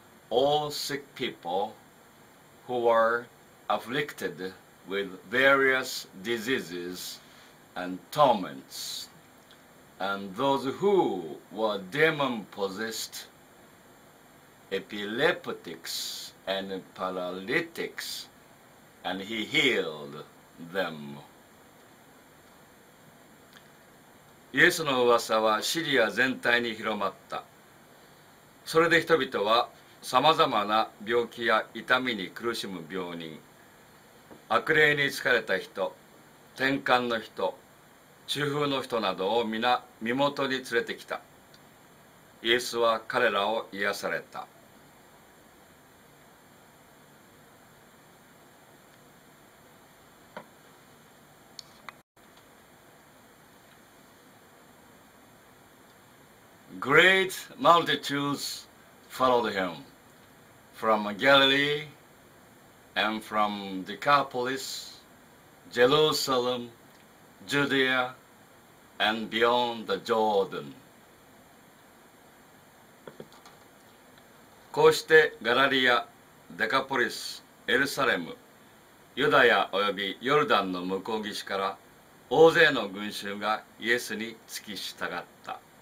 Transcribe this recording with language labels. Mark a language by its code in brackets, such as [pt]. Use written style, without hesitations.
[en] all sick people who were afflicted with various diseases and torments, and those who were demon-possessed, epileptics and paralytics, and he healed them. [ja] イエスの噂はシリア全体に広まった。それで人々はさまざまな病気や痛みに苦しむ病人、悪霊に疲れた人、転換の人、中風の人などを皆身元に連れてきた。イエスは彼らを癒された。 [en] Great multitudes followed him from Galilee and from Decapolis, Jerusalem, Judea, and beyond the Jordan. [ja] こうしてガラリア、デカポリス、エルサレム、ユダヤおよびヨルダンの向こう岸から大勢の群衆がイエスに付き従った。